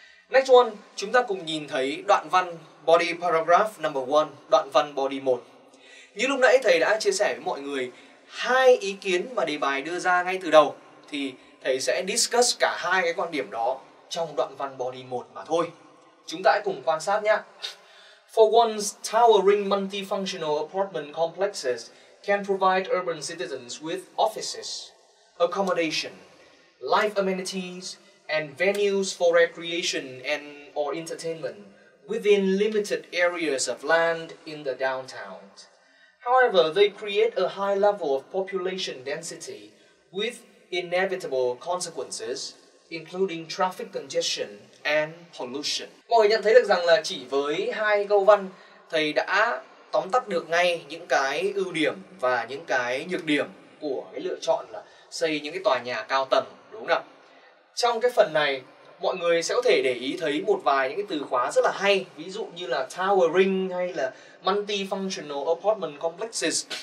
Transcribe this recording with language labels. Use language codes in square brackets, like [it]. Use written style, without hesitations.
[en] Next one, [vi] chúng ta cùng nhìn thấy đoạn văn body paragraph number 1, đoạn văn body 1. Như lúc nãy thầy đã chia sẻ với mọi người, hai ý kiến mà đề bài đưa ra ngay từ đầu thì thầy sẽ discuss cả hai cái quan điểm đó trong đoạn văn body 1 mà thôi. Chúng ta hãy cùng quan sát nhé. [en] For once, towering multifunctional apartment complexes can provide urban citizens with offices, accommodation, life amenities, and venues for recreation and or entertainment within limited areas of land in the downtown. However, they create a high level of population density with inevitable consequences, including traffic congestion and pollution. [vi] Mọi người nhận thấy được rằng là chỉ với hai câu văn, thầy đã tóm tắt được ngay những cái ưu điểm và những cái nhược điểm của cái lựa chọn là xây những cái tòa nhà cao tầng, đúng không? Trong cái phần này, mọi người sẽ có thể để ý thấy một vài những cái từ khóa rất là hay, ví dụ như là towering hay là multifunctional apartment complexes.